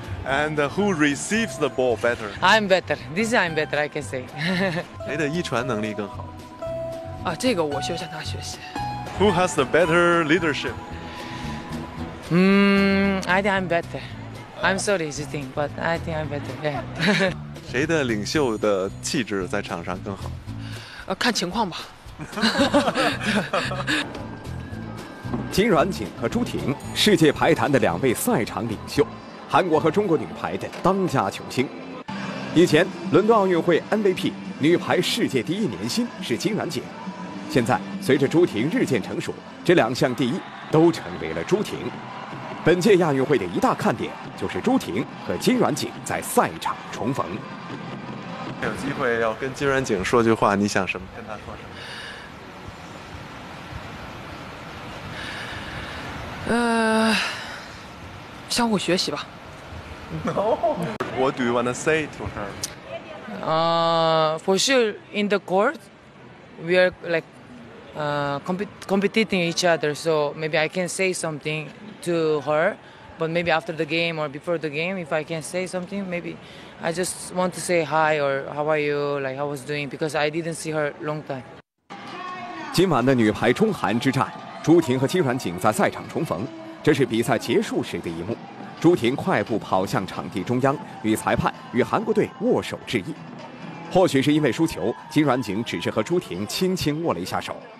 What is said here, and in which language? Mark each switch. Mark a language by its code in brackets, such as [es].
[en] And who receives the ball better? I'm better. This I'm better, I can say. [zh] 谁的一传能力更好？这个我需要向他学习。 [en] Who has the better leadership? I think I'm better. I'm sorry, Zhu Ting, but I think I'm better. Yeah. [zh] 谁的领袖的气质在场上更好？看情况吧。金软景和朱婷，世界排坛的两位赛场领袖，韩国和中国女排的当家球星。以前伦敦奥运会 MVP 女排世界第一年薪是金软景，现在随着朱婷日渐成熟，这两项第一。都成为了朱婷。本届亚运会的一大看点就是朱婷和金软景在赛场重逢。有机会要跟金软景说句话，你想什么跟他说什么？相互学习吧。 [en] No. What do you want to say to her? For sure, in the court, we are like. Competing each other, so maybe I can say something to her, but maybe after the game or before the game, if I can say something, maybe I just want to say hi or how are you, like how was doing, because I didn't see her long time. [zh] 今晚的女排中韩之战，朱婷和金软景在赛场重逢，这是比赛结束时的一幕。朱婷快步跑向场地中央，与裁判与韩国队握手致意。或许是因为输球，金软景只是和朱婷轻轻握了一下手。